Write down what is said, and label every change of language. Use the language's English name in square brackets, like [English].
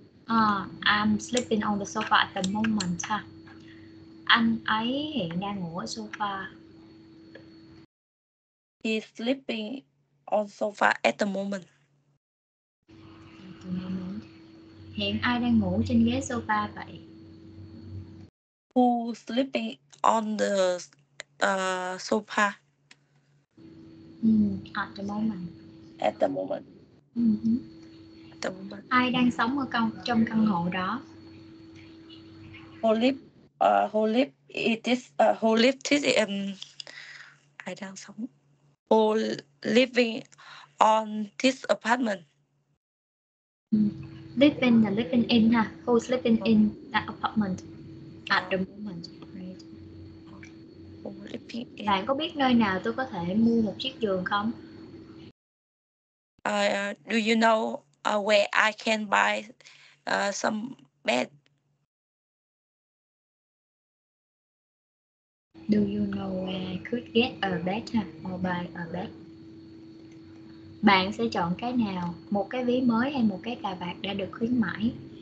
[English] I'm sleeping on the sofa at the moment. Huh? [Vietnamese] Anh ấy hiện đang ngủ ở sofa. [English] He's sleeping on sofa at the moment. [Vietnamese] Hiện ai đang ngủ trên ghế sofa vậy? [English] Who's sleeping on the sofa? At the moment. At the moment. Mm-hmm. At the moment. [Vietnamese] Ai đang sống ở trong căn hộ đó? [English] Who living on this apartment? Living [Vietnamese] là [English] living in ha. Who's living in that apartment at the moment? Right. [Vietnamese] Bạn có biết nơi nào tôi có thể mua một chiếc giường không? [English] Do you know where I can buy some bed? Do you know where I could get a bed or buy a bed? [Vietnamese] Bạn sẽ chọn cái nào? Một cái ví mới hay một cái cà vạt đã được khuyến mãi?